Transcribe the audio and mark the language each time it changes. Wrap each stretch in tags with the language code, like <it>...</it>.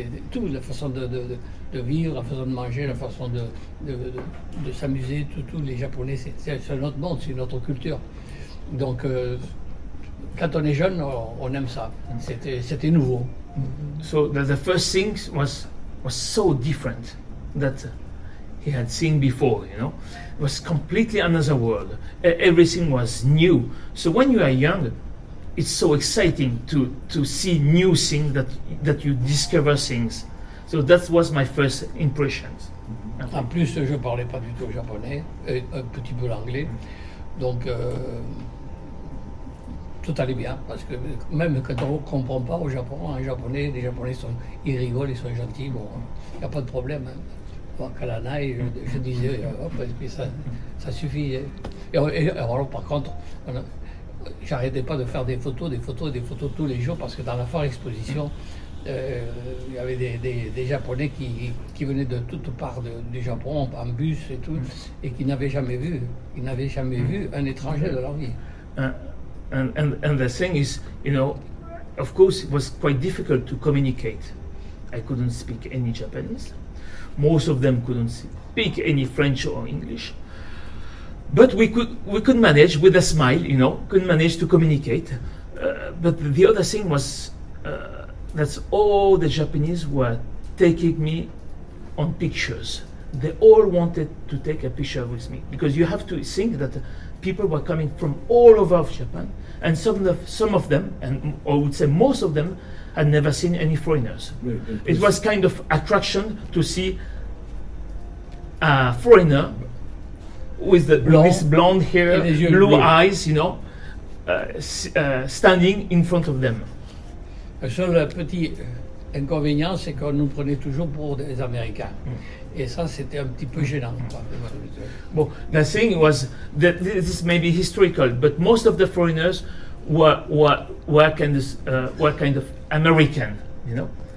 <fr>Tout, la façon de vivre, la façon de manger, la façon de s'amuser, tout. Les Japonais, c'est notre monde, c'est notre culture. Donc, quand on est jeune, on aime ça. C'était nouveau.</fr> <en>So the first thing was so different that he had seen before, you know. It was completely another world. Everything was new. So when you are young, it's so exciting to see new things, that you discover things. So that was my first impression.</en> <fr>En plus, je ne parlais pas du tout japonais, et un petit peu l'anglais. Donc, tout allait bien, parce que même quand on ne comprend pas au Japon, en japonais, les japonais, sont, ils rigolent, ils sont gentils, bon, il n'y a pas de problème. Hein. Kalanai, je disais, hop, et puis ça suffit. Hein. Et alors, par contre, j'arrêtais pas de faire des photos tous les jours, parce que dans la foire exposition, il y avait des Japonais qui venaient de toutes parts du Japon, en bus et tout, et qui n'avaient jamais vu, vu un étranger de leur vie.</fr> <en>And the thing is, you know, of course it was quite difficult to communicate. I couldn't speak any Japanese. Most of them couldn't speak any French or English. But we could manage with a smile, you know, couldn't manage to communicate. But the other thing was that all the Japanese were taking me on pictures. They all wanted to take a picture with me, because you have to think that people were coming from all over Japan, and some of them, and I would say most of them, had never seen any foreigners. Right, it was kind of attraction to see a foreigner with the blonde hair, blue eyes, you know, standing in front of them.</en> <fr>Le seul petit inconvénient, c'est qu'on nous prenait toujours pour des Américains. Et ça, c'était un petit peu gênant.</fr> <en>Bon, the thing was that this may be historical, but most of the foreigners were kind of American, you know.</en>